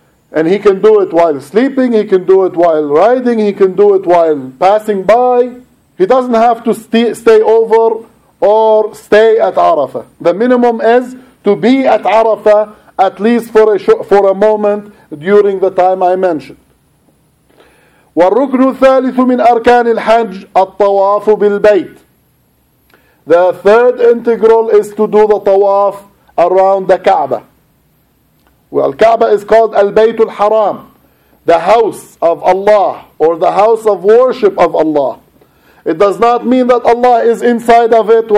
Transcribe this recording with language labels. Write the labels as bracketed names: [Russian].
[English] And he can do it while sleeping, he can do it while riding, he can do it while passing by. He doesn't have to stay over or stay at Arafah. The minimum is to be at Arafah at least for a moment during the time I mentioned. [Arabic] والركن الثالث من أركان الحج الطواف بالبيت. [English] The third integral is to do the tawaf around the Kaaba. Well, Kaaba is called al-Bayt al-Haram, the house of Allah or the house of worship of Allah. It does not mean that Allah is inside of it.